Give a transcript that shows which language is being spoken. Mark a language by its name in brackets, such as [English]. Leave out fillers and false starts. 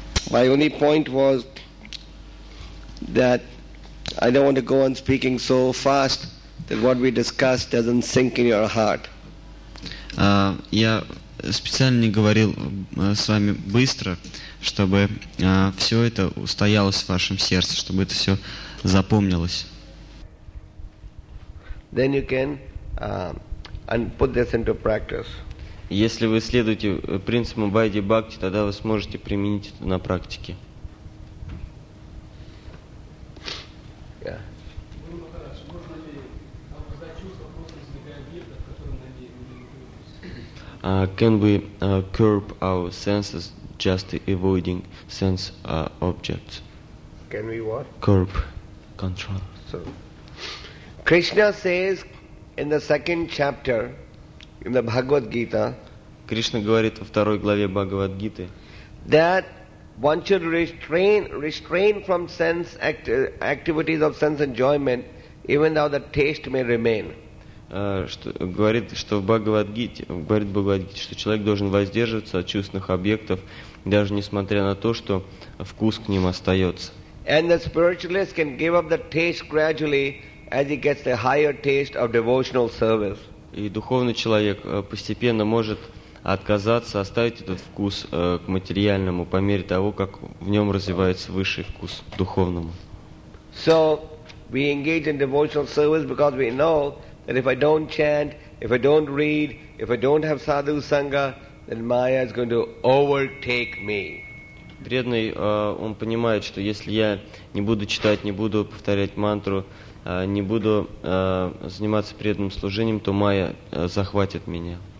[English] My only point was that I don't want to go on speaking so fast that what we discussed doesn't sink in your heart. [Russian] Я специально не говорил с вами быстро, чтобы все это устоялось в вашем сердце, чтобы это все запомнилось. [English] Then you can and put this into practice. [Russian] Если вы следуете принципу Байди Бхакти, тогда вы сможете применить это на практике. [English] Can we curb our senses just avoiding sense objects? Can we what? Curb, control. So, Krishna says in the second chapter in the Bhagavad Gita. [Russian] Кришна говорит во второй главе Бхагавад-гиты, [English] that one should restrain from sense activities of sense enjoyment, even though the taste may remain. [Russian] Говорит Бхагавад-гита, что человек должен воздерживаться от чувственных объектов, даже несмотря на то, что вкус к ним остается. [English] And the spiritualist can give up the taste gradually as he gets the higher taste of devotional service. [Russian] И духовный человек постепенно может отказаться, оставить этот вкус к материальному по мере того, как в нем развивается высший вкус к духовному. [English] So we engage in devotional service because we know that if I don't chant, if I don't read, if I don't have sadhu sangha, then Maya is going to overtake me. [Russian] Преданный, он понимает, что если я не буду читать, не буду повторять мантру, не буду заниматься преданным служением, то Майя захватит меня.